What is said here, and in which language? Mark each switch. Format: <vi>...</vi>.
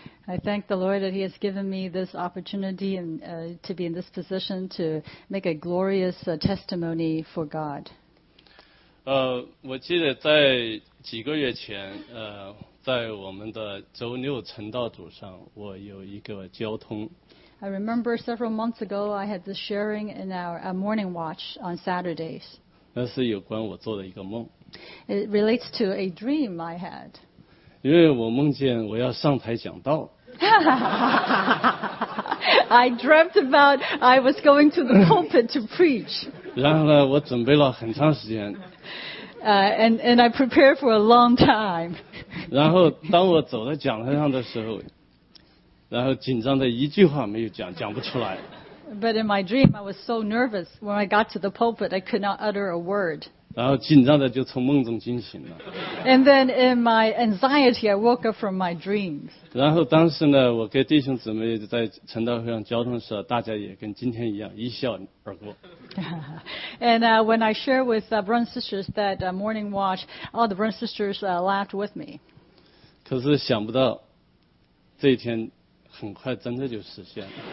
<en>I thank the Lord that He has given me this opportunity and to be in this position to make a glorious testimony for God.</en> <zh>我记得在几个月前，在我们的周六晨祷组上，我有一个交通。</zh> <en>I remember several months ago, I had this sharing in our morning watch on Saturdays.</en> <zh>那是有关我做的一个梦。</zh> <en>It relates to a dream I had.</en> <zh>因为我梦见我要上台讲道。</zh> <en>I dreamt about I was going to the pulpit to preach.</en> <zh>然后呢，我准备了很长时间。</zh> <en>And I prepared for a long time.</en> <zh>然后当我走在讲台上的时候，然后紧张的一句话没有讲，讲不出来。</zh> <en>But in my dream, I was so nervous. When I got to the pulpit, I could not utter a word.</en> <zh>然后紧张的就从梦中惊醒了。</zh> <en>And then in my anxiety, I woke up from my dreams.</en> <zh>然后当时呢，我跟弟兄姊妹在晨祷会上交通的时候，大家也跟今天一样一笑而过。</zh> <en>And when I shared with brothers and sisters that morning watch, all the brothers and sisters laughed with me.</en> <zh>可是想不到这一天很快真的就实现了。</zh>